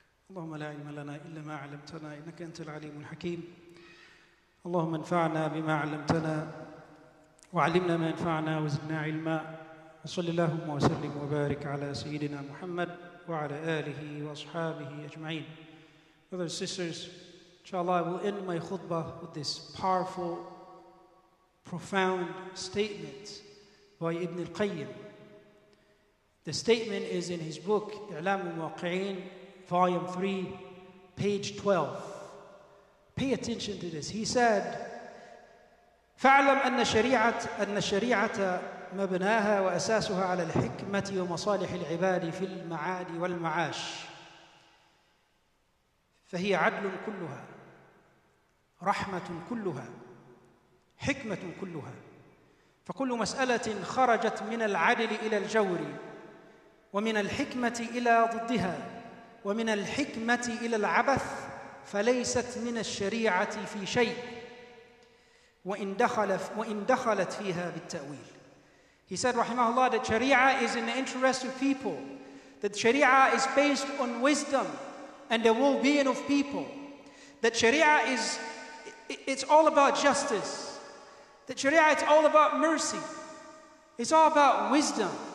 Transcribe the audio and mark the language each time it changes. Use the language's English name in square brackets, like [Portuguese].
[Arabic] اللهم لا علم لنا إلا ما علمتنا إنك أنت العليم الحكيم. اللهم انفعنا بما علمتنا وعلمنا ما ينفعنا وزدنا علما. وصل اللهم وسلم وبارك على سيدنا محمد وعلى آله وأصحابه أجمعين. [English] Brothers and sisters, inshallah, I will end my khutbah with this powerful, profound statement by Ibn al-Qayyim. The statement is in his book, I'lam al-Waqi'in, volume 3, page 12. Pay attention to this. He said, [Arabic] فَعْلَمْ أَنَّ شَرِيعَةَ مَبْنَاهَا وَأَسَاسُهَا عَلَى الْحِكْمَةِ وَمَصَالِحِ الْعِبَادِ فِي الْمَعَادِ وَالْمَعَاشِ فهي عدل كلها رحمة كلها حكمة كلها فكل مسألة خرجت من العدل إلى الجور ومن الحكمة إلى ضدها ومن الحكمة إلى العبث فليست من الشريعة في شيء وإن دخلت فيها بالتأويل. [English] He said [Arabic] رحمه الله [English] that Sharia is in the interest of people, that Sharia is based on wisdom and the well-being of people. That Sharia is, it's all about justice. That Sharia, it's all about mercy. It's all about wisdom.